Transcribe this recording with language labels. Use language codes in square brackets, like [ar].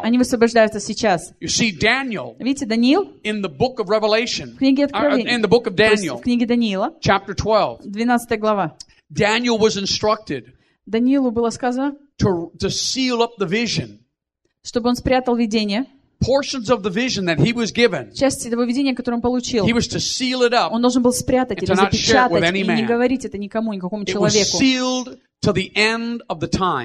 [ru] Они высвобождаются сейчас. [en] You see Daniel. [ru] Видите, Даниил? [en] In the book of Revelation. [ru] В книге Откровения. [en] In the book of Daniel. [ru] В книге Даниила. [en] Chapter 12. [ru] 12 глава. [en] Daniel was instructed. [ru] Даниилу было сказано. [en] To seal up the vision. [ru] Чтобы он спрятал видение. [en] Portions of the vision that he was given. [ru] Части того видения, которое он получил. [en] He was to seal it up. [ru] Он должен был спрятать или запечатать и не говорить это никому, никакому человеку. [en] It was sealed to the end of the time.